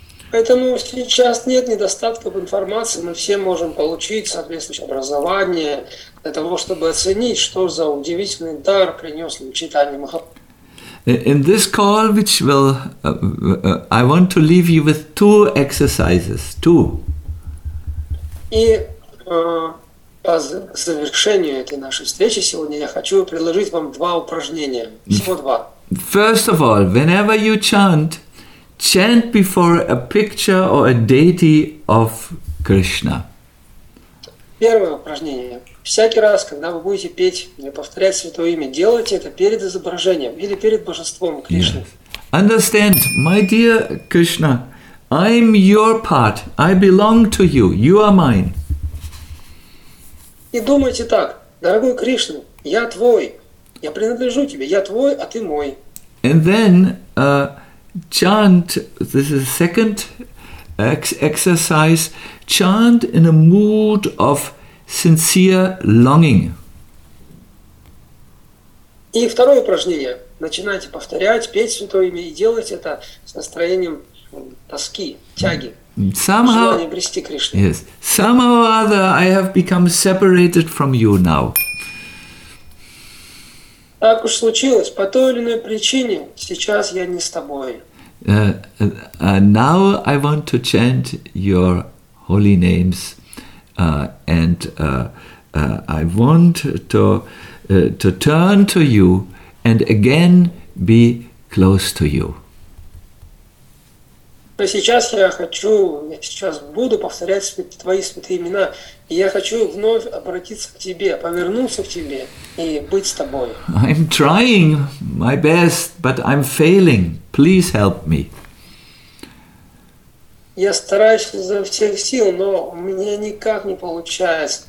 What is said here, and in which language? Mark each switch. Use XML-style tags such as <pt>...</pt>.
<ru>Поэтому сейчас нет недостатка в информации, мы все можем получить соответствующее образование для того, чтобы оценить, что за удивительный дар принес нам Чайтанья Махапрабху.</ru> <en>In this call, which will, I want to leave you with two exercises, two.</en> <ru>И по завершению этой нашей встречи сегодня я хочу предложить вам два упражнения, всего два.</ru> <en>First of all, whenever you chant, chant before a picture or a deity of Krishna.</en> <ru>Первое упражнение. Всякий раз, когда вы будете петь или повторять святое имя, делайте это перед изображением или перед божеством Кришны.</ru> <en>Yes. Understand, my dear Krishna, I'm your part. I belong to you. You are mine.</en> <ru>И думайте так. Дорогой Кришна, я твой. Я принадлежу тебе. Я твой, а ты мой.</ru> <en>And then chant, this is the second exercise, chant in a mood of sincere longing.</en> <ru>И второе упражнение. Начинайте повторять, петь святое имя и делать это с настроением тоски, тяги, желания обрести Кришну.</ru> <en>Yes. Somehow or other I have become separated from you now.</en> <ru>Так уж случилось, по той или иной причине, сейчас я не с тобой.</ru> <en>Now I want to chant your holy names, I want to turn to you and again be close to you.</en> <ru>Но сейчас я хочу, я сейчас буду повторять твои святые имена, и я хочу вновь обратиться к тебе, повернуться к тебе и быть с тобой.</ru> <en>I'm trying my best, but I'm failing. Please help me.</en> <ru>Я стараюсь изо всех сил, но у меня никак не получается.</ru>